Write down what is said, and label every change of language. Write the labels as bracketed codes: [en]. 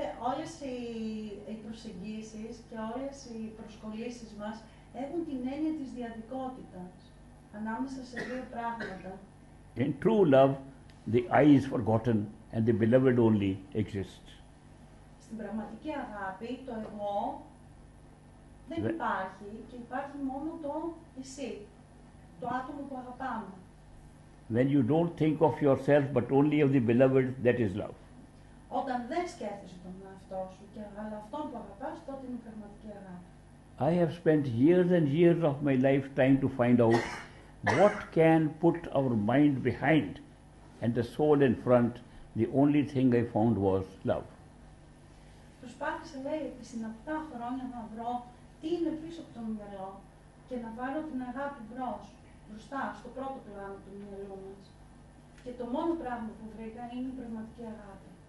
[el] Όλες οι προσεγγίσεις και όλες οι προσκολήσεις μας έχουν την έννοια της διαδικότητας ανάμεσα σε δύο πράγματα. [en] In true love, the I is forgotten and the beloved only exists. [el] Στην πραγματική αγάπη, το εγώ δεν υπάρχει και υπάρχει μόνο το εσύ, το άτομο που αγαπάμε. [en] When you don't think of yourself but only of the beloved, that is love. [el] Όταν δεν σκέφτεσαι τον εαυτό σου και αλλά αυτόν που αγαπάς, τότε είναι πραγματική αγάπη. [en] I have spent years and years of my life trying to find out what can put our mind behind and the soul in front. The only thing I found was love. [el] Προσπάθησα, λέει, επί συναπτά χρόνια να βρω τι είναι πίσω από το μυαλό και να βάλω την αγάπη μπροστά στο πρώτο πλάνο του μυαλού μας. Και το μόνο πράγμα που βρήκα είναι η πραγματική αγάπη.